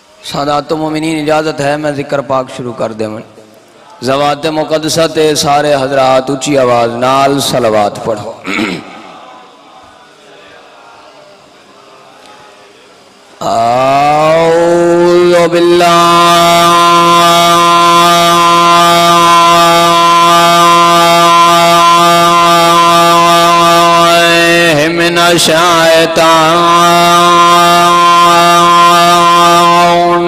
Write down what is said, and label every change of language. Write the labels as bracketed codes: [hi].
[ur] سادات مومنین اجازت ہے میں ذکر پاک شروع کر دیں. [pa] زوات مقدسہ تے سارے حضرات اچھی آواز نال صلوات پڑھو. [ar] اعوذ باللہ من الشیطان